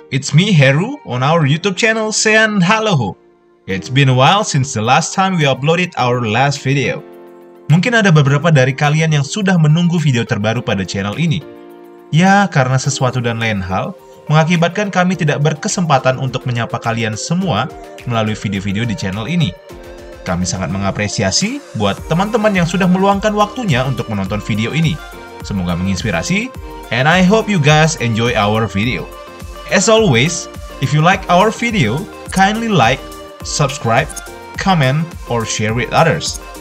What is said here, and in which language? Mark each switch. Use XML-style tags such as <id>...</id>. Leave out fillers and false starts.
<en>It's me, Heru, on our YouTube channel, Sean Haloho. It's been a while since the last time we uploaded our last video.</en> <id>Mungkin ada beberapa dari kalian yang sudah menunggu video terbaru pada channel ini. Ya, karena sesuatu dan lain hal, mengakibatkan kami tidak berkesempatan untuk menyapa kalian semua melalui video-video di channel ini. Kami sangat mengapresiasi buat teman-teman yang sudah meluangkan waktunya untuk menonton video ini. Semoga menginspirasi,</id> <en>and I hope you guys enjoy our video. As always, if you like our video, kindly like, subscribe, comment, or share with others.</en>